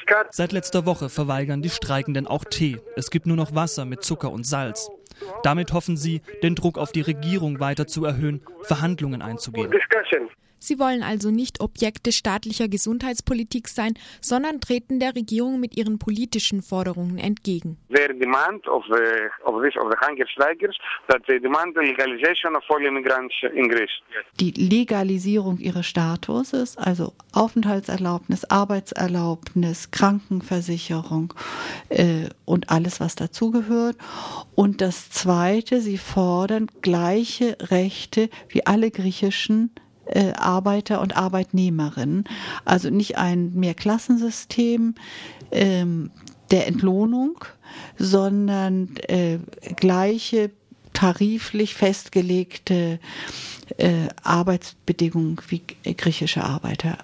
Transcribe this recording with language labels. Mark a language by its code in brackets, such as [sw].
[de] Seit letzter Woche verweigern die Streikenden auch Tee. Es gibt nur noch Wasser mit Zucker und Salz. Damit hoffen sie, den Druck auf die Regierung weiter zu erhöhen Verhandlungen einzugehen. Sie wollen also nicht Objekte staatlicher Gesundheitspolitik sein, sondern treten der Regierung mit ihren politischen Forderungen entgegen. [en] Their demand of the hunger strikers, that they demand the legalization of all immigrants in Greece. [de] Die Legalisierung ihres Statuses, also Aufenthaltserlaubnis, Arbeitserlaubnis, Krankenversicherung und alles, was dazugehört. Und das Zweite, sie fordern gleiche Rechte wie alle griechischen Arbeiter und Arbeitnehmerinnen, also nicht ein Mehrklassensystem der Entlohnung, sondern gleiche tariflich festgelegte Arbeitsbedingungen wie griechische Arbeiter.